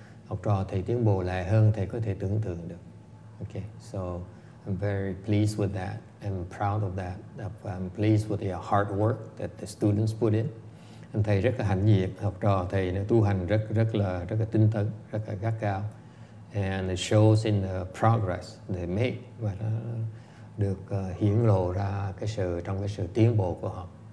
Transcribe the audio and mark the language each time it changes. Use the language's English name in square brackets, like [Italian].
[Vietnamese] Học trò thầy tiến bộ lại hơn thầy có thể tưởng tượng được. [English] Okay, so I'm very pleased with that. I'm proud of that. I'm pleased with the hard work that the students put in. [Vietnamese] Anh thầy rất là hạnh diện, học trò thầy nó tu hành rất là tinh tấn, rất là gắt gao. [English] And it shows in the progress they make, [Vietnamese] và nó được hiển lộ ra cái sự, trong cái sự tiến bộ của họ.